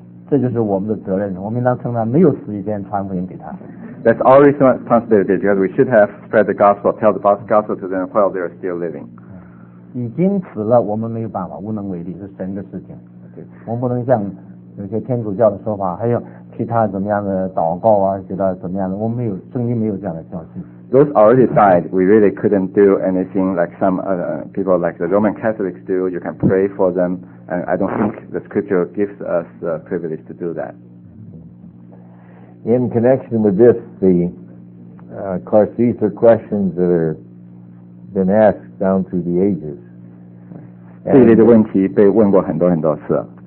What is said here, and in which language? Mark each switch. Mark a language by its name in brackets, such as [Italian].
[Chinese] 这就是我们的责任，我们应当称他没有死以前传福音给他。 [English] That's our responsibility because we should have spread the gospel, tell the gospel to them while they are still living. [Chinese] 已经死了，我们没有办法，无能为力，是神的事情。对，我们不能像有些天主教的说法，还有其他怎么样的祷告啊，其他怎么样的，我们没有，圣经没有这样的教训。 [English] Those already died, we really couldn't do anything like some people like the Roman Catholics do. You can pray for them, and I don't think the scripture gives us the privilege to do that. In connection with this, the, of course, these are questions that have been asked down through the ages. [Chinese] 这一类的问题被问过很多很多次。